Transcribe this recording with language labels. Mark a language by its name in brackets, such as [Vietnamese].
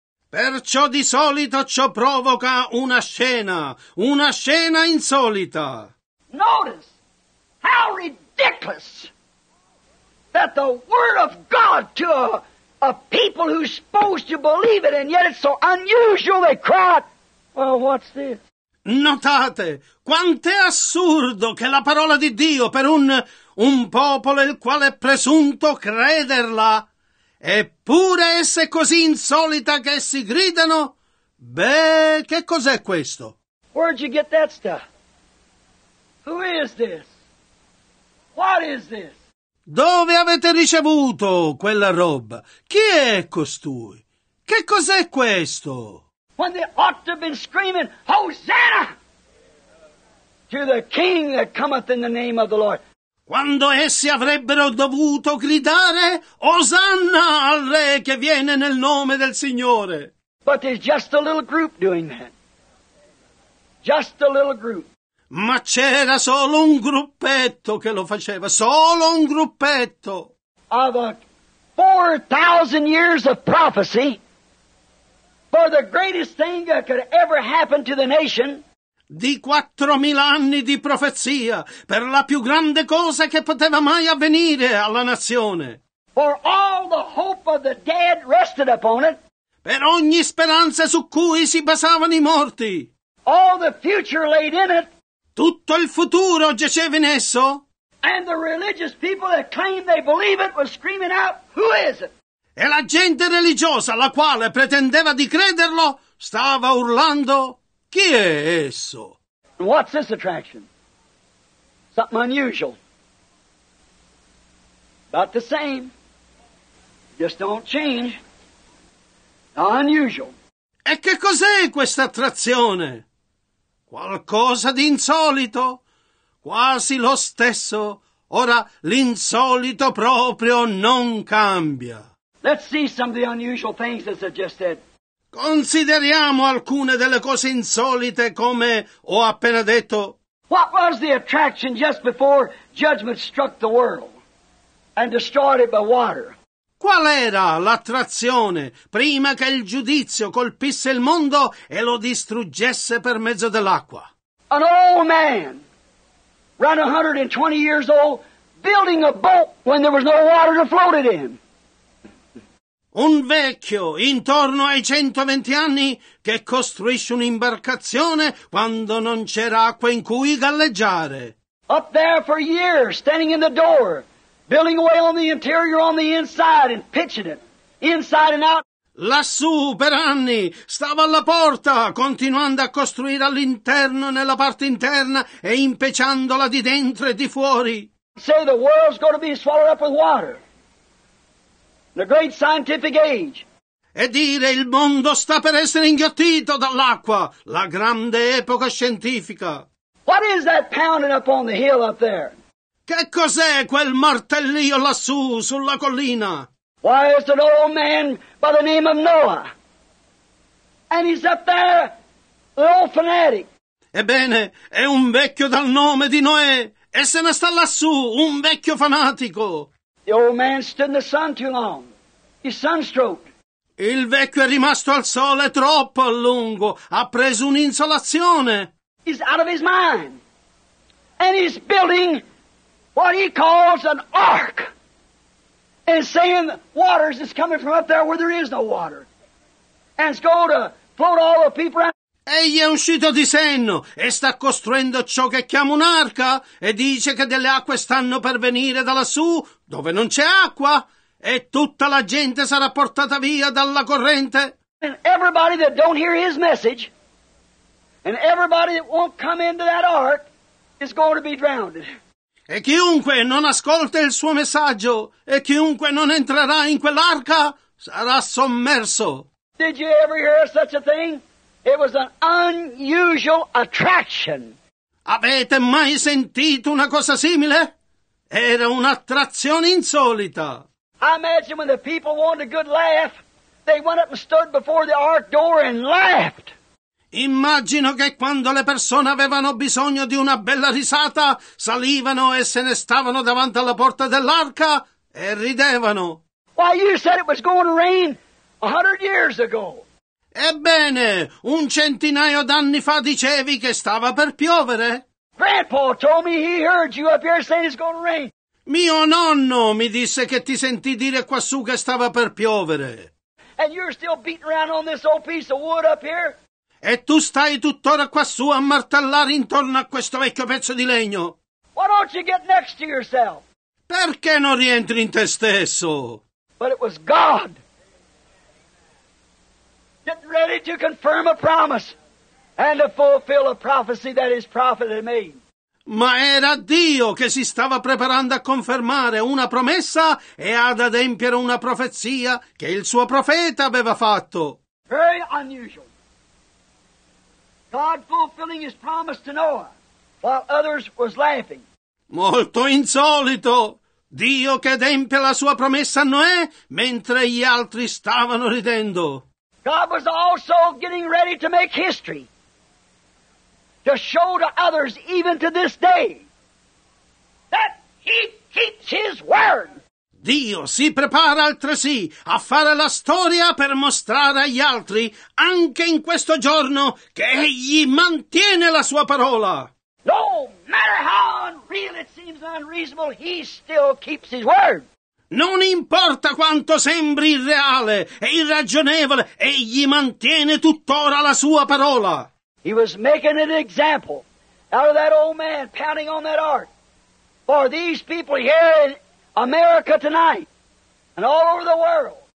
[Italian] Perciò di solito ciò provoca una scena insolita. [English] Notice how ridiculous that the word of God to a people who's supposed to believe it, and yet it's so unusual they cry out, well, what's this? [Italian] Notate, quant'è assurdo che la parola di Dio per un popolo il quale è presunto crederla, eppure essa è così insolita che essi gridano, beh, che cos'è questo? [English] Where'd you get that stuff? Who is this? What is this? [Italian] Dove avete ricevuto quella roba? Chi è costui? Che cos'è questo? [English] When they ought to have been screaming, Hosanna! To the King that cometh in the name of the Lord. [Italian] Quando essi avrebbero dovuto gridare, Osanna al Re che viene nel nome del Signore. [English] But there's just a little group doing that. Just a little group. [Italian] Ma c'era solo un gruppetto che lo faceva. Solo un gruppetto. [English] Of 4,000 years of prophecy. For the greatest thing that could ever happen to the nation. [Italian] Di 4,000 anni di profezia per la più grande cosa che poteva mai avvenire alla nazione. [English] For all the hope of the dead rested upon it. [Italian] Per ogni speranza su cui si basavano i morti. [English] All the future laid in it. [Italian] Tutto il futuro giaceva in esso. [English] And the religious people that claimed they believe it were screaming out, who is it? [Italian] E la gente religiosa, la quale pretendeva di crederlo, stava urlando, chi è esso? [English] What's this attraction? Something unusual. About the same. Just don't change. Unusual. [Italian] E che cos'è questa attrazione? Qualcosa di insolito? Quasi lo stesso. Ora l'insolito proprio non cambia. [English] Let's see some of the unusual things that I just said. [Italian] Consideriamo alcune delle cose insolite come ho appena detto. [English] What was the attraction just before judgment struck the world and destroyed it by water? [Italian] Qual era l'attrazione prima che il giudizio colpisse il mondo e lo distruggesse per mezzo dell'acqua? [English] An old man, around 120 years old, building a boat when there was no water to float it in. [Italian] Un vecchio intorno ai 120 anni che costruisce un'imbarcazione quando non c'era acqua in cui galleggiare. [English] Up there for years, standing in the door, building away on the interior, on the inside, and pitching it, inside and out. [Italian] Lassù, per anni, stava alla porta, continuando a costruire all'interno, nella parte interna, e impeciandola di dentro e di fuori. [English] Say the world's going to be swallowed up with water. The great scientific age. [Italian] E dire il mondo sta per essere inghiottito dall'acqua, la grande epoca scientifica. [English] What is that pounding up on the hill up there? [Italian] Che cos'è quel martellio lassù sulla collina? [English] Why is an old man by the name of Noah? And he's up there, the old fanatic. [Italian] Ebbene, è un vecchio dal nome di Noè e se ne sta lassù, un vecchio fanatico. [English] The old man stood in the sun too long. His sunstroke. [Italian] Il vecchio è rimasto al sole troppo a lungo. Ha preso un'insolazione. [English] He's out of his mind. And he's building what he calls an ark. And saying waters is coming from up there where there is no water. And it's going to float all the people out. [Italian] Egli è uscito di senno e sta costruendo ciò che chiama un'arca e dice che delle acque stanno per venire da lassù dove non c'è acqua e tutta la gente sarà portata via dalla corrente. [English] And everybody that don't hear his message and everybody that won't come into that ark is going to be drowned. [Italian] E chiunque non ascolta il suo messaggio e chiunque non entrerà in quell'arca sarà sommerso. [English] Did you ever hear such a thing? It was an unusual attraction. [Italian] Avete mai sentito una cosa simile? Era un'attrazione insolita. [English] I imagine when the people wanted a good laugh, they went up and stood before the ark door and laughed. [Italian] Immagino che quando le persone avevano bisogno di una bella risata, salivano e se ne stavano davanti alla porta dell'arca e ridevano. [English] Why, you said it was going to rain 100 years ago. [Italian] Ebbene, un centinaio d'anni fa dicevi che stava per piovere. [English] Grandpa told me he heard you up here saying it's going to rain. [Italian] Mio nonno mi disse che ti sentì dire quassù che stava per piovere. [English] And you're still beating around on this old piece of wood up here? [Italian] E tu stai tuttora quassù a martellare intorno a questo vecchio pezzo di legno. [English] Why don't you get next to yourself? [Italian] Perché non rientri in te stesso? [English] But it was God. Get ready to confirm a promise and to fulfill a prophecy that his prophet had made. [Italian] Ma era Dio che si stava preparando a confermare una promessa e ad adempiere una profezia che il suo profeta aveva fatto. [English] Very unusual. God fulfilling his promise to Noah while others was laughing. [Italian] Molto insolito. Dio che adempie la sua promessa a Noè mentre gli altri stavano ridendo. [English] God was also getting ready to make history, to show to others, even to this day, that he keeps his word. [Italian] Dio si prepara altresì a fare la storia per mostrare agli altri, anche in questo giorno, che egli mantiene la sua parola. [English] No matter how unreal it seems unreasonable, he still keeps his word. [Italian] Non importa quanto sembri irreale e irragionevole, egli mantiene tuttora la sua parola. [English] He was making an example out of that old man pounding on that ark for these people here in America tonight and all over the world.